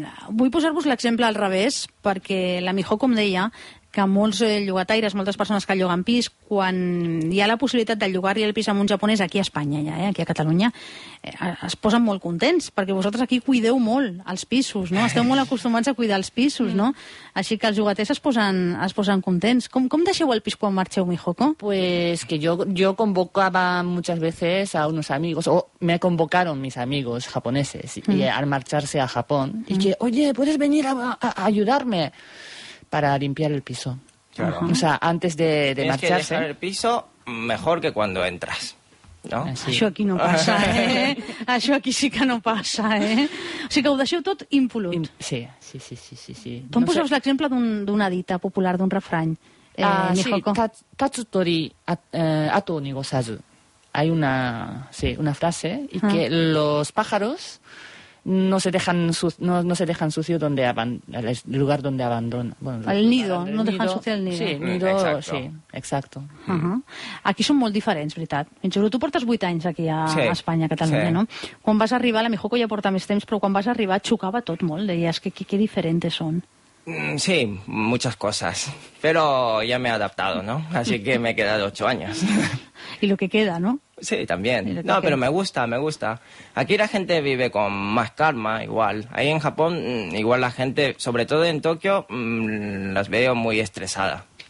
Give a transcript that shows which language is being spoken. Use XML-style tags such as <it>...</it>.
<ca>Vull posar-vos l'exemple al revés, perquè la Mijó, com deia, que molts llogataires, moltes persones que lloguen pis, quan hi ha la possibilitat de llogar-li el pis a un japonès aquí a Espanya, ja, aquí a Catalunya, es posen molt contents, perquè vosaltres aquí cuideu molt els pisos, no? Esteu molt acostumats a cuidar els pisos, no? Així que els llogaters es posen contents. Com deixeu el pis quan marxeu, Mijoko?</ca> <es>Pues que yo convocaba muchas veces a unos amigos, o me convocaron mis amigos japoneses y al marcharse a Japón, y que, oye, ¿puedes venir a ayudarme? Para limpiar el piso. Claro. O sea, antes de marcharse. Es que dejar el piso mejor que cuando entras, ¿no?</es> <ca>Así. Això aquí no passa, ¿eh? Això aquí sí que no passa, ¿eh? O sigui que ho deixeu tot impolut. Sí. Tu em poseus l'exemple d'una dita popular, d'un refrany, Mijoko?</ca> <ja>Ah, sí, tatsu tori ato nigosazu.</ja> <es>Hay una frase, y que los pájaros... No se dejan sucio donde el lugar donde abandona. Bueno, el nido, no dejan sucio el nido. Sí, nido, sí, exacto. Uh-huh.</es> <ca>Aquí són molt diferents, veritat. Juro, tu portes 8 anys aquí a Espanya, a Catalunya, sí. No? Quan vas arribar, la Mijoko ja porta més temps, però quan vas arribar xocava tot molt, deies que qué diferentes són.</ca> <es>Sí, muchas cosas, pero ya me he adaptado, ¿no? Así que me he quedado 8 años. Y lo que queda, ¿no? Sí, también. No, pero me gusta. Aquí la gente vive con más calma, igual. Ahí en Japón, igual la gente, sobre todo en Tokio, las veo muy estresadas.</es>